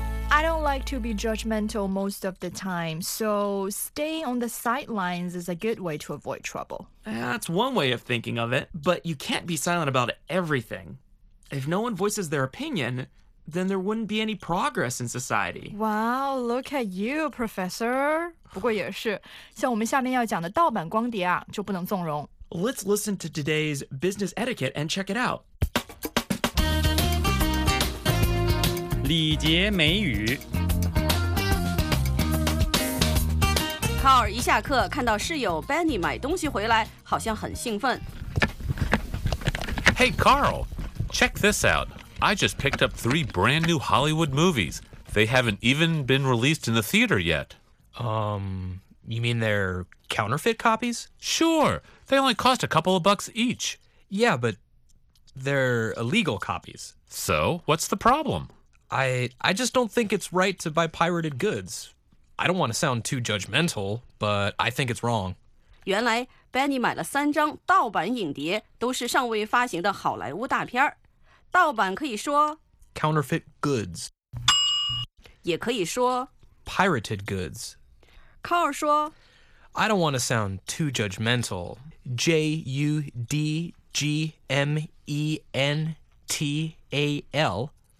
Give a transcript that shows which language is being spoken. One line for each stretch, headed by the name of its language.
English: I don't like to be judgmental most of the time, so staying on the sidelines is a good way to avoid trouble. That's one way of thinking of it, but you can't be silent about everythingIf no one voices their opinion, then there wouldn't be any progress in society. Wow, look at you, professor.
Chinese: 不过也是，像我们下面要讲的盗版光碟啊，就不能纵容。
English: Let's listen to today's business etiquette and check it out.
Chinese: 礼节美语。考尔一下课，看到室友 Benny 买东西回来，好像很兴奋。
English: Hey, Carl. Check this out. I just picked up 3 brand new Hollywood movies. They haven't even been released in the theater yet. You mean they're counterfeit copies? Sure. They only cost a couple of bucks each. Yeah, but they're illegal copies. So, what's the problem? I just don't think it's right to buy pirated goods. I don't want to sound too judgmental, but I think it's wrong.
Chinese: 原来Benny 买了三张盗版影碟，都是尚未发行的好莱坞大片。盗版可以说
English: counterfeit goods，
Chinese: 也可以说
English: pirated goods。
Chinese: Carl 说
English: ，I don't want to sound too judgmental. J U D G M E N T A L，